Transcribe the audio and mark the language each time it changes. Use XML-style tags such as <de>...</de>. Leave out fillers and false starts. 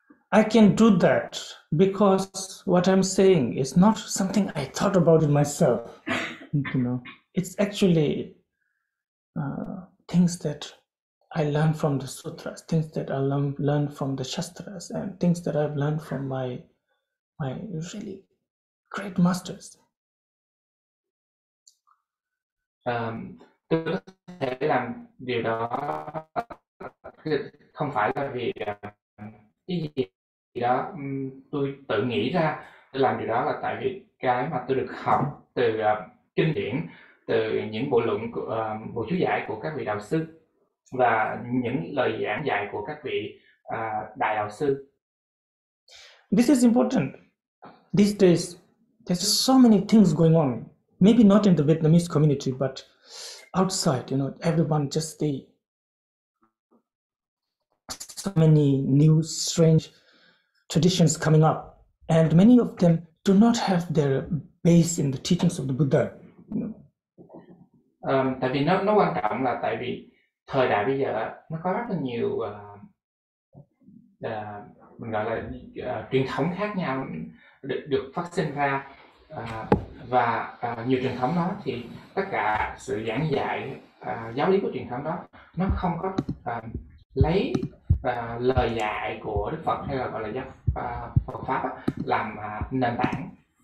<en>I can do that because what I'm saying is not something I thought about it myself, you know. It's actually things that I learn from the sutras, things that I learn from the shastras, and things that I've learned from my really great masters.</en> <vi>Tôi có thể làm điều đó không phải là vì cái gì đó tôi tự nghĩ ra, tôi làm điều đó là tại vì cái mà tôi được học từ kinh điển, từ những bộ luận của bộ chú giải của các vị đạo sư và những lời giảng dạy của các vị đại đạo sư.</vi> <en>This is important. These days, there's so many things going on. Maybe not in the Vietnamese community, but outside, you know, everyone just see so many new strange traditions coming up. And many of them do not have their base in the teachings of the Buddha.</en> <vi>Tại vì nó quan trọng là tại vì thời đại bây giờ nó có rất là nhiều mình gọi là truyền thống khác nhau được phát sinh ra. Và nhiều truyền thống đó thì tất cả sự giảng dạy giáo lý của truyền thống đó nó không có lấy lời dạy của Đức Phật hay là gọi là giáo Phật pháp làm nền tảng.</vi>